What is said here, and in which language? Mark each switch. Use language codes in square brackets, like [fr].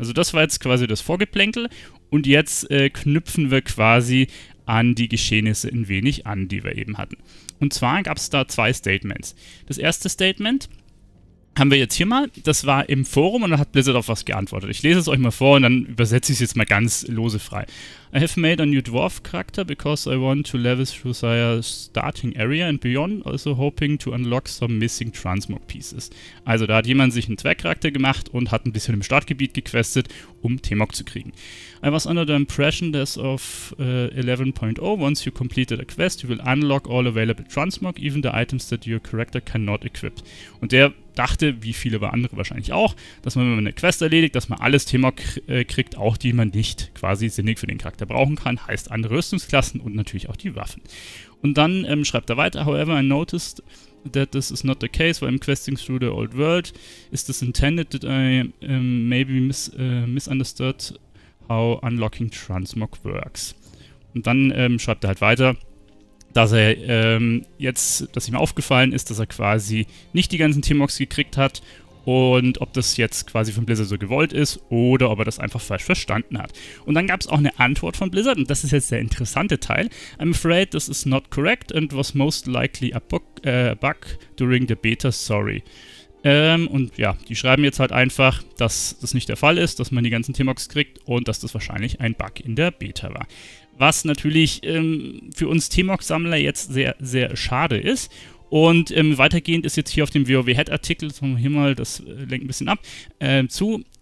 [de] Also das war jetzt quasi das Vorgeplänkel und jetzt knüpfen wir quasi an die Geschehnisse ein wenig an, die wir eben hatten. Und zwar gab es da 2 Statements. Das erste Statement haben wir jetzt hier mal. Das war im Forum und da hat Blizzard auf was geantwortet. Ich lese es euch mal vor und dann übersetze ich es jetzt mal ganz lose frei. [en] I have made a new dwarf character because I want to level through their starting area and beyond, also hoping to unlock some missing transmog pieces. [de] Also da hat jemand sich einen Zwergcharakter gemacht und hat ein bisschen im Startgebiet gequestet, um T-Mog zu kriegen. [en] I was under the impression that of 11.0, once you completed a quest, you will unlock all available transmog, even the items that your character cannot equip. [de] Und der dachte, wie viele andere wahrscheinlich auch, dass man, wenn man eine Quest erledigt, dass man alles T-Mog kriegt, auch die man nicht quasi sinnig für den Charakter brauchen kann, heißt andere Rüstungsklassen und natürlich auch die Waffen. Und dann schreibt er weiter, [en] however I noticed that this is not the case while I'm questing through the old world. Is this intended that I misunderstood how unlocking transmog works? [de] Und dann schreibt er halt weiter, dass er jetzt, dass ihm aufgefallen ist, dass er quasi nicht die ganzen T-Mogs gekriegt hat und ob das jetzt quasi von Blizzard so gewollt ist oder ob er das einfach falsch verstanden hat. Und dann gab es auch eine Antwort von Blizzard und das ist jetzt der interessante Teil. [en] I'm afraid this is not correct and was most likely a bug during the beta, sorry. [de] Und ja, die schreiben jetzt halt einfach, dass das nicht der Fall ist, dass man die ganzen T-Mogs kriegt und dass das wahrscheinlich ein Bug in der Beta war. Was natürlich für uns T-Mog-Sammler jetzt sehr, sehr schade ist. Und weitergehend ist jetzt hier auf dem WoW-Head-Artikel, hier mal, das lenkt ein bisschen ab, zu.